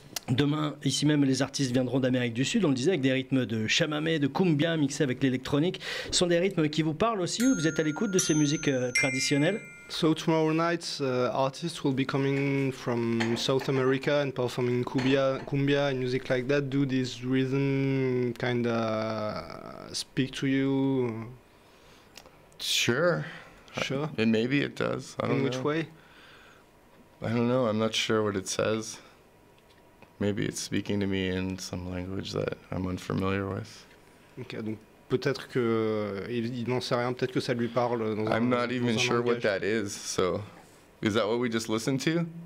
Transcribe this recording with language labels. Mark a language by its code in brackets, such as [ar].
[fr] Demain, ici même, les artistes viendront d'Amérique du Sud, on le disait, avec des rythmes de chamamé, de cumbia mixés avec l'électronique. Ce sont des rythmes qui vous parlent aussi, ou vous êtes à l'écoute de ces musiques traditionnelles? [en] So tomorrow night, artists will be coming from South America and performing cumbia and music like that. Do this rhythm kind of speak to you? Sure. And maybe it does. I don't know. In which way? I don't know. I'm not sure what it says. Maybe it's speaking to me in some language that I'm unfamiliar with. [fr] Okay, donc peut-être que il n'en sait rien. Peut-être que ça lui parle dans [en] un. I'm not even sure what that is. So, is that what we just listened to?